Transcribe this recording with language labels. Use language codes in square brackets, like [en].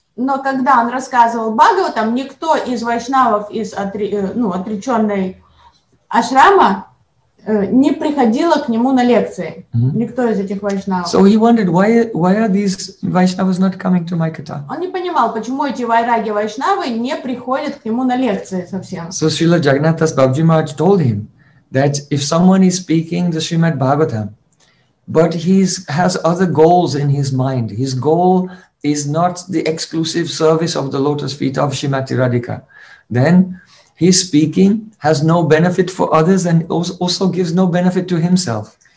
[ru] Но когда он рассказывал Бхагаватам, никто из вайшнавов из отреченной ашрама не приходило к нему на лекции. Mm-hmm. Никто из этих вайшнавов. [en] So he wondered why are these vaishnavas not coming to my kata? [ru] Он не понимал, почему эти вайраги вайшнавы не приходят к нему на лекции совсем. [en] So Srila Jagannatha Das Babaji Maharaj told him that if someone is speaking the Srimad Bhagavatam, but has other goals in his mind. His goal is not the exclusive service of the lotus feet of Srimati Radhika. Then his speaking has no benefit for others and also gives no benefit to himself.